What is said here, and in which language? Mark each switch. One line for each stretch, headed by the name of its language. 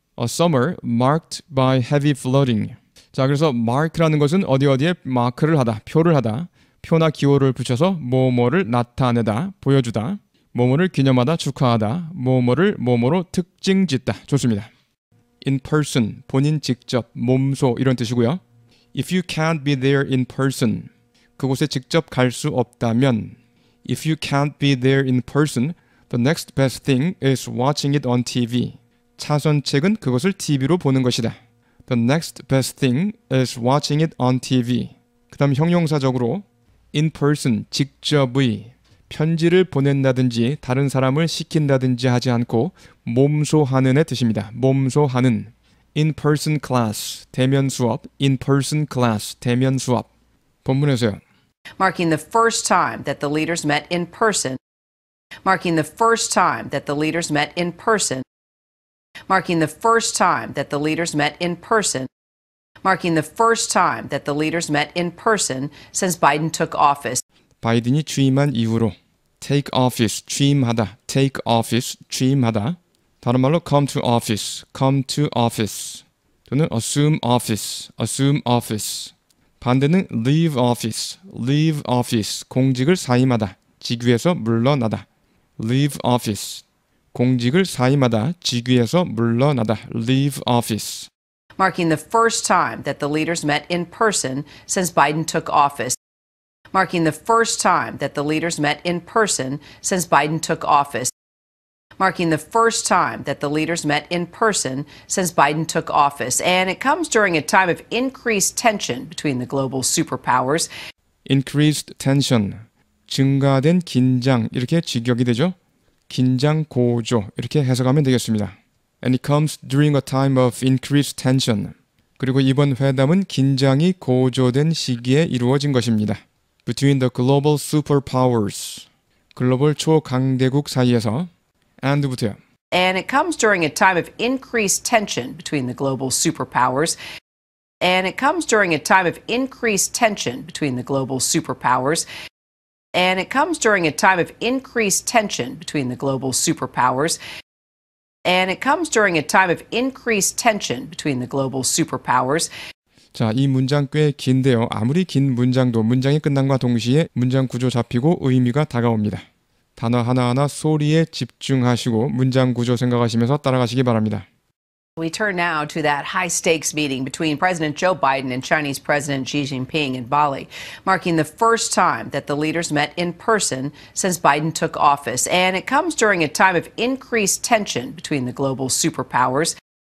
English: A summer marked by heavy flooding.
Korean: 자, 그래서 mark라는 것은 어디 어디에 마크를 하다, 표를 하다. 표나 기호를 붙여서 뭐뭐를 나타내다, 보여주다, 뭐뭐를 기념하다, 축하하다, 뭐뭐를 뭐뭐로 특징 짓다. 좋습니다. In person, 본인 직접, 몸소 이런 뜻이고요.
English: If you can't be there in person,
Korean: 그곳에 직접 갈 수 없다면,
English: If you can't be there in person, the next best thing is watching it on TV.
Korean: 차선책은 그것을 TV로 보는 것이다.
English: The next best thing is watching it on TV.
Korean: 그 다음 형용사적으로 In person, 직접의 편지를 보낸다든지 다른 사람을 시킨다든지 하지 않고 몸소 하는의 뜻입니다. 몸소 하는. In person class, 대면 수업. In person class, 대면 수업. 본문에서요.
English: marking the first time that the leaders met in person. Marking the first time that the leaders met in person. Marking the first time that the leaders met in person. Marking the first time that the leaders met in person since Biden took office.
Korean: 바이든이 취임한 이후로 take office, 취임하다, take office, 취임하다. 다른 말로
English: come to office, come to office. 또는 assume office, assume office. 반대는 leave office, leave office.
Korean: 공직을 사임하다, 직위에서 물러나다.
English: Leave office.
Korean: 공직을 사임하다, 직위에서 물러나다.
English: Leave office. Marking the first time that the leaders met in person since Biden took office. Marking the first time that the leaders met in person since Biden took office. Marking the first time that the leaders met in person since Biden took office. And it comes during a time of increased tension between the global superpowers. Increased tension.
Korean: 증가된 긴장. 이렇게 직역이 되죠. 긴장 고조. 이렇게 해석하면 되겠습니다.
English: And it comes during a time of increased tension.
Korean: 그리고 이번 회담은 긴장이 고조된 시기에 이루어진 것입니다.
English: Between the global superpowers.
Korean: 글로벌 초강대국 사이에서. And부터요.
English: And it comes during a time of increased tension between the global superpowers. And it comes during a time of increased tension between the global superpowers. And it comes during a time of increased tension between the global superpowers. And it comes during a time of increased tension between the global superpowers.
Korean: 자, 이 문장 꽤 긴데요. 아무리 긴 문장도 문장이 끝난과 동시에 문장 구조 잡히고 의미가 다가옵니다. 단어 하나하나 소리에 집중하시고 문장 구조 생각하시면서 따라가시기 바랍니다.
English: We turn now to that high-stakes meeting between President Joe Biden and Chinese President Xi Jinping in Bali, marking the first time that the leaders met in person since Biden took office. And it comes during a time of increased tension between the global superpowers.